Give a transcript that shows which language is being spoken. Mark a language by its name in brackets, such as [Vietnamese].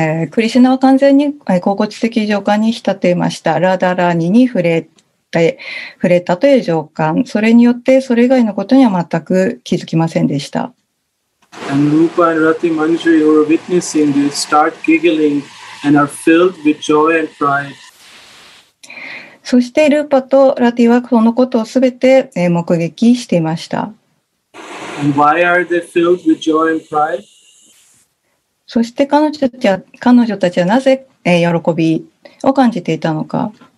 [Japanese] クリシュナは完全に心地的情感に浸っていました。ラダラーニに触れたという情感、それによってそれ以外のことには全く気づきませんでした。 [English] And Rupa and Rati Manjari who are witnessing this start giggling and are filled with joy and pride. [Japanese] そしてルーパとラティはこのことをすべて目撃していました。 [English] And why are they filled with joy and pride? [Japanese] そして彼女たちはなぜ喜びを感じていたのか。